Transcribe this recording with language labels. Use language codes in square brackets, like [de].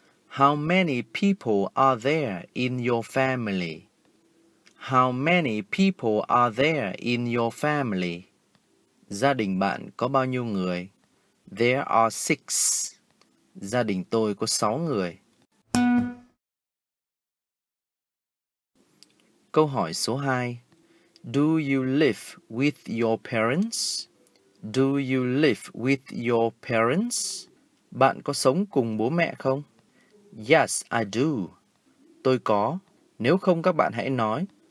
[en] How many people are there in your family? How many people are there in your family? [vi] Gia đình bạn có bao nhiêu người? [en] There are 6. [vi] Gia đình tôi có 6 người. Câu hỏi số 2. [en] Do you live with your parents? Do you live with your parents? [vi] Bạn có sống cùng bố mẹ không? [en] Yes, I do. [vi] Tôi có. Nếu không các bạn hãy nói.